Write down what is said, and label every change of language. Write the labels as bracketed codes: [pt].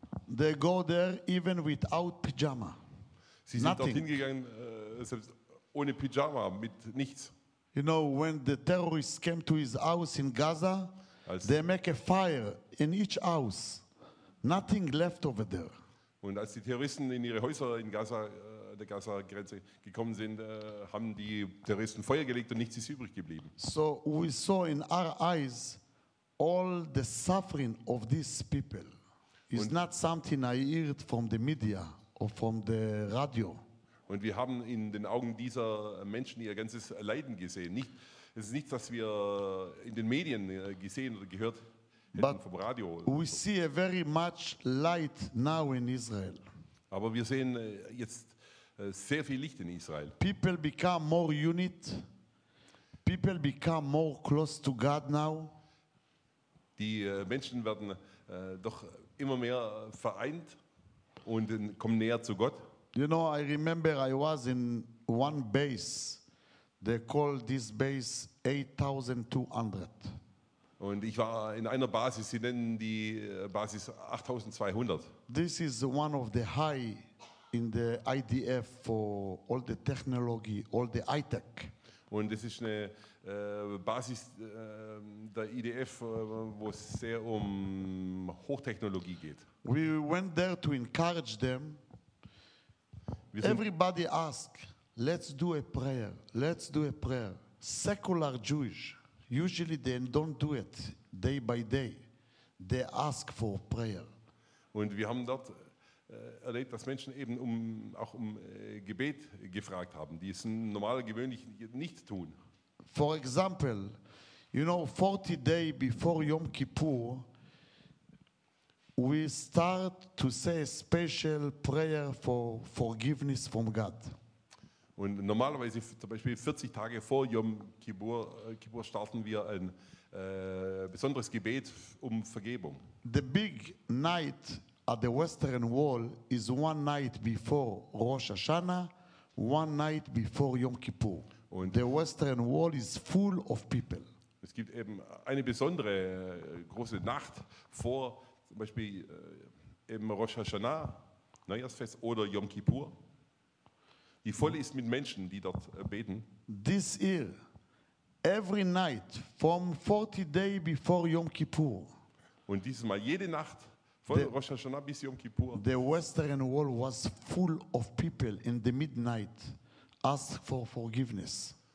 [en] They go there even without pyjama. [de] Sie sind dorthin gegangen, selbst ohne Pyjama, mit nichts. [en] You know, when the terrorists came to his house in Gaza, they make a fire in each house. Nothing left over there. [de] Und als die Terroristen in ihre Häuser in Gaza der Gaza-Grenze gekommen sind, haben die Terroristen Feuer gelegt und nichts ist übrig geblieben. [en] So we saw in our eyes all the suffering of these people. It's not something I heard from the media or from the radio. [de] Und wir haben in den Augen dieser Menschen ihr ganzes Leiden gesehen. Nicht, es ist nichts, was wir in den Medien gesehen oder gehört hätten vom Radio. [en] But we see a very much light now in Israel. [de] Aber wir sehen jetzt sehr viel Licht in Israel. [en] People become more unit. People become more close to God now. [de] Die Menschen werden doch immer mehr vereint und kommen näher zu Gott. [en] You know, I remember I was in one base. They call this base 8200. [de] Und ich war in einer Basis. Sie nennen die Basis 8200. [en] This is one of the high in the IDF for all the technology, all the high-tech. [de] Und das ist eine Basis der IDF, wo es sehr um Hochtechnologie geht. [en] We went there to encourage them. Everybody asked, let's do a prayer, let's do a prayer. Secular Jewish, usually they don't do it day by day. They ask for prayer. [de] Und wir haben dort erlebt, dass Menschen eben auch um Gebet gefragt haben, die es normal gewöhnlich nicht tun. [en] For example, you know, 40 days before Yom Kippur, we start to say a special prayer for forgiveness from God. [de] Und normalerweise, zum Beispiel 40 Tage vor Yom Kippur, starten wir ein besonderes Gebet um Vergebung. [en] The big night at the Western Wall is one night before Rosh Hashanah, one night before Yom Kippur. [de] Und [en] the Western Wall is full of people. [de] Es gibt eben eine besondere große Nacht vor zum Beispiel eben Rosh Hashanah, Neujahrsfest oder Yom Kippur, die voll ist mit Menschen, die dort beten. [en] This year, every night from 40 days before Yom Kippur. [de] Und dieses Mal jede Nacht von Rosh Hashanah bis Yom Kippur. [en] The Western Wall was full of people in the midnight, ask for forgiveness.